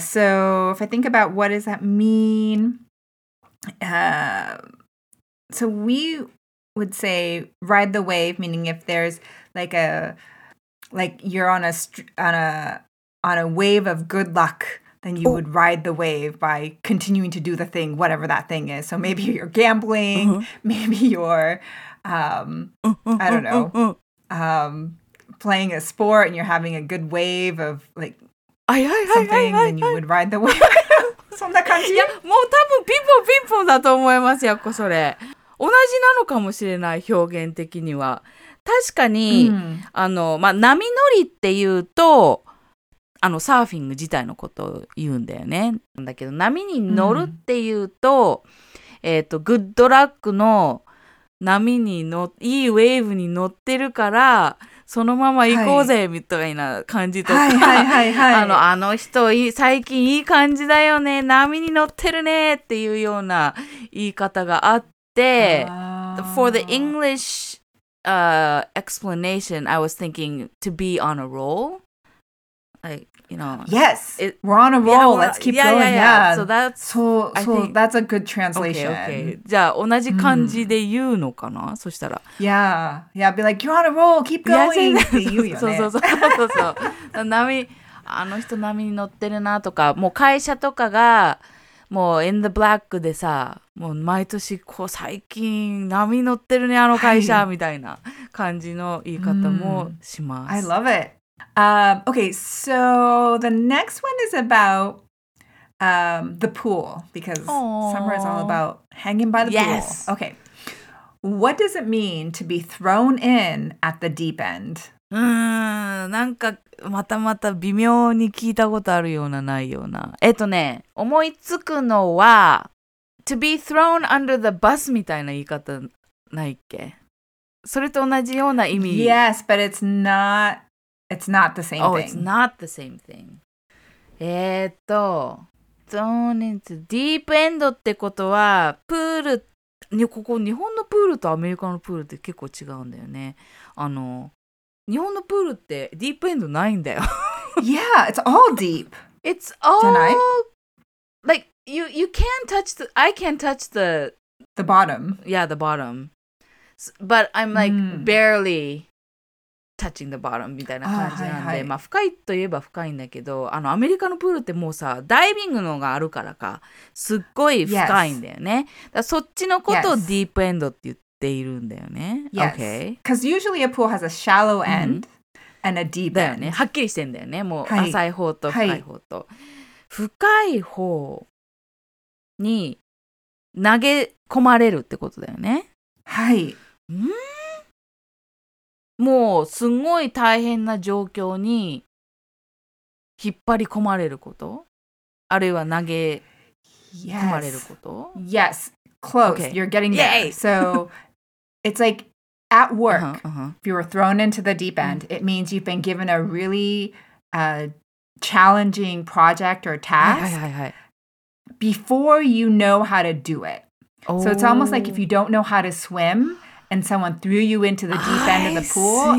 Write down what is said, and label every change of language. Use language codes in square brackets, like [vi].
[en] So if I think about what does that mean, so we would say ride the wave, meaning if there's like aLike you're on a wave of good luck, then you、oh. would ride the wave by continuing to do the thing, whatever that thing is. So maybe you're gambling,、uh-huh. maybe you're, I don't know, playing a sport and you're having a good wave of like ay, ay, ay, something, ay, ay, then you ay, would ride the wave. [ja] そんな感じ。いや、もう多分ピンポンピンポンだと思いますよ、こそれ。同じなのかもしれない、表現的には。確かに、うん、あのまあ、波乗りっていうとあのサーフィング自体のことを言うんだよね。だけど波に乗るっていうと、うん、グッドラックの波に乗っ、いいウェーブに乗ってるからそのまま行こうぜみたいな感じとか、あの人最近いい感じだよね、波に乗ってるねっていうような言い方があって、 [en] For the Englishexplanation, I was thinking to be on a roll. [ja] Like, you know. [en] Yes! It, we're on a roll. Yeah, let's keep yeah, going. Yeah, yeah, yeah. So that's, so, I so think, that's a good translation. Okay, okay. [ja] じゃあ同じ感じで言うのかな、mm. そしたら。 [en] Yeah. Yeah, be like, you're on a roll. Keep going. Yeah, see, [ja] そうそうそうそう。波、あの人波に乗ってるなとか、もう会社とかが、もう [en] in the black [ja] でさ、もう毎年こう最近波乗ってるね、あの会社みたいな感じの言い方もします。 [en] I love it. Okay, so the next one is about the pool, because、Aww. Summer is all about hanging by the、 yes. pool. Okay, what does it mean to be thrown in at the deep end? [ja] なんかまたまた微妙に聞いたことあるようなないような。ね、思いつくのは [en] to be thrown under the bus [ja] みたいな言い方ないっけ？それと同じような意味。 [en] Yes, but it's not the same thing. Oh, it's not the same thing. thrown into deep end [ja] ってことは、プール、ここ日本のプールとアメリカのプールって結構違うんだよね。あの、日本のプールってディープエンドないんだよ。 [en] Yeah, it's all deep. It's all like,You can touch the, I can touch the... The bottom. Yeah, the bottom. But I'm like、mm. barely touching the bottom [ja] みたいな感じなんで、はいはい、まあ深いといえば深いんだけど、あのアメリカのプールってもうさ、ダイビングのがあるからか、すっごい深いんだよね。 [en] Yes. [ja] だそっちのことをディープエンドって言っているんだよね。 [en] Yes. Okay. Because usually a pool has a shallow end、mm-hmm. and a deep end. [ja] だよね。はっきりしてんだよね。もう浅い方と深い方と。はい、深い方。に投げ込まれるってことだよね。はい。んー？もうすごい大変な状況に引っ張り込まれること？あるいは投げ込まれること？ [en] Yes. Yes. Close.、 Okay. You're getting there. Yay! So it's like at work, uh-huh, uh-huh. if you were thrown into the deep end,、mm-hmm. it means you've been given a really、challenging project or task. [ja] はいはいはい。 [en] Before you know how to do it.、 Oh. So it's almost like if you don't know how to swim and someone threw you into the deep end of the pool、